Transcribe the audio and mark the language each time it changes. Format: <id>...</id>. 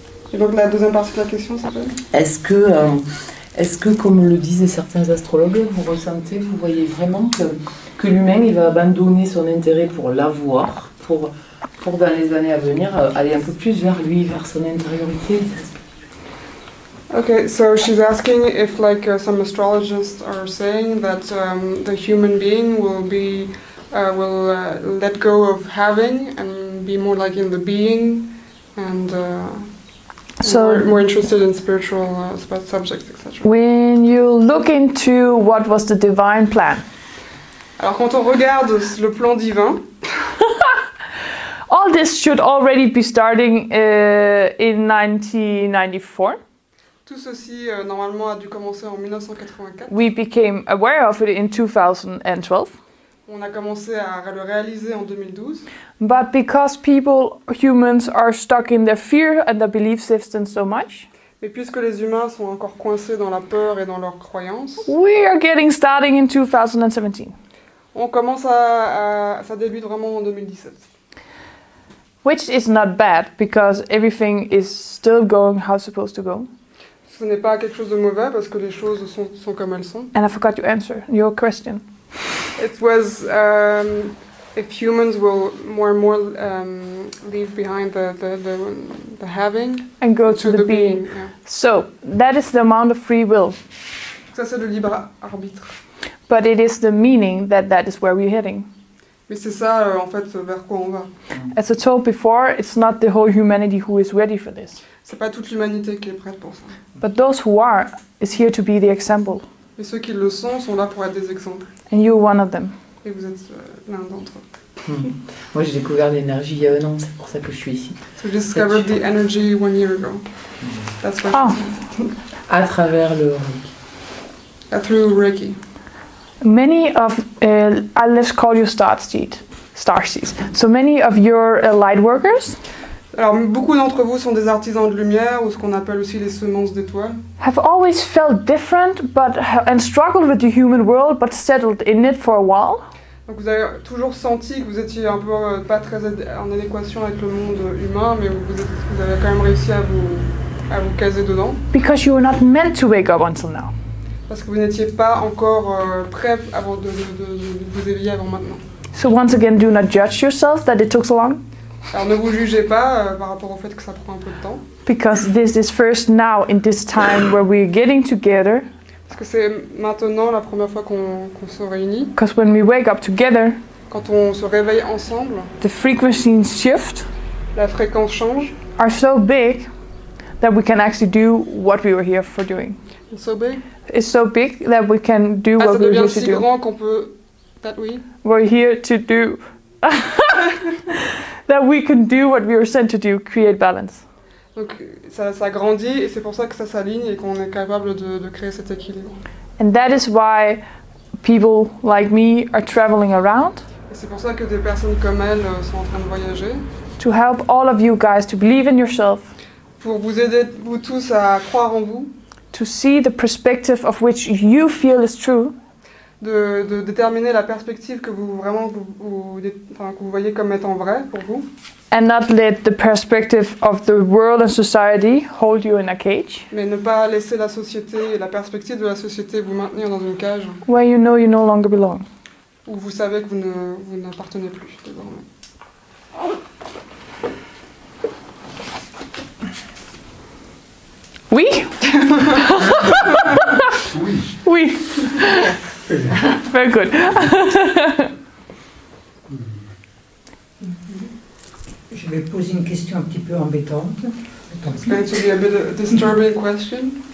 <fr>Et donc la deuxième partie de la question, c'est quoi? Est-ce que, comme le disent certains astrologues, vous ressentez, vous voyez vraiment que l'humain, il va abandonner son intérêt pour l'avoir, pour dans les années à venir aller un peu plus vers lui, vers son intériorité?</fr> <en>Okay, so she's asking if, like some astrologists are saying, that the human being will let go of having and be more like in the being, and more interested in spiritual subjects, etc. When you look into what was the divine plan.</en> <fr>Alors quand on regarde le plan divin.</fr> <en>All this should already be starting in 1994.</en> <fr>Tout ceci normalement a dû commencer en 1984.</fr> <en>We became aware of it in 2012.</en> <fr>On a commencé à le réaliser en 2012.</fr> <en>But because people, humans, are stuck in their fear and their belief system so much.</en> <fr>Mais puisque les humains sont encore coincés dans la peur et dans leurs croyances.</fr> <en>We are getting starting in 2017.</en> <fr>On commence à ça débute vraiment en 2017.</fr> <en>Which is not bad because everything is still going how it's supposed to go.</en> <fr>Ce n'est pas quelque chose de mauvais parce que les choses sont comme elles sont.</fr> <en>And I forgot your answer, your question. It was if humans will more and more leave behind the having and go to the being. Yeah. So that is the amount of free will.</en> <fr>Ça c'est le libre arbitre.</fr> <en>But it is the meaning that is where we're heading.</en> <fr>Mais c'est ça en fait vers quoi on va.</fr> <en>As I told before, it's not the whole humanity who is ready for this.</en> <fr>C'est pas toute l'humanité qui est prête pour ça.</fr> <en>But those who are is here to be the example.</en> <fr>Et ceux qui le sont là pour être des exemples.</fr> <en>And you're one of them.</en> <fr>Et vous êtes l'un d'entre eux. Moi j'ai découvert l'énergie il y a un an, c'est pour ça que je suis ici.</fr> <en>So you discovered the energy 1 year ago. That's why.</en> <fr>Oh. À travers le Reiki.</fr> <en>Through Reiki. Many of let's call you starseeds. So many of your light workers.</en> <fr>Alors beaucoup d'entre vous sont des artisans de lumière ou ce qu'on appelle aussi les semences d'étoiles.</fr> <en>Have always felt different, and struggled with the human world, but settled in it for a while.</en> <fr>Donc vous avez toujours senti que vous étiez un peu pas très en adéquation avec le monde humain, mais vous avez quand même réussi à vous caser dedans.</fr> <en>Because you were not meant to wake up until now.</en> <fr>parce que vous n'étiez pas encore prêt avant de vous éveiller avant maintenant.</fr> <en>So once again, do not judge yourself that it took so long.</en> <fr>Alors ne vous jugez pas par rapport au fait que ça prend un peu de temps.</fr> <en>Because this is first now in this time where we're getting together.</en> <fr>Parce que c'est maintenant la première fois qu'on se réunit.</fr> <en>Because when we wake up together.</en> <fr>Quand on se réveille ensemble.</fr> <en>The frequencies shift.</en> <fr>La fréquence change.</fr> <en>Are so big that we can actually do what we were here for doing. It's so big. It's so big that we can do what we were here si to do.</en> <fr>Ah, ça devient si grand qu'on peut.</fr> <en>That we. We're here to do. That we can do what we were sent to do, create balance.</en> <fr>Donc ça grandit et c'est pour ça que ça s'aligne et qu'on est capable de créer cet équilibre.</fr> <en>And that is why people like me are traveling around.</en> <fr>Et c'est pour ça que des personnes comme elle sont en train de voyager.</fr> <en>To help all of you guys to believe in yourself.</en> <fr>Pour vous aider vous tous à croire en vous.</fr> <en>To see the perspective of which you feel is true.</en> <fr>De déterminer la perspective que vous vraiment que vous voyez comme étant vraie pour vous.</fr> <en>And not let the perspective of the world and society hold you in a cage.</en> <fr>Mais ne pas laisser la société et la perspective de la société vous maintenir dans une cage.</fr> <en>Where you know you no longer belong.</en> <fr>Où vous savez que vous n'appartenez plus désormais. Oui. Oui. Oui.</fr> <en>Very good.</en> <fr>Je vais poser une question un petit peu embêtante.</fr> <en>It's going to be a bit of a disturbing question.</en>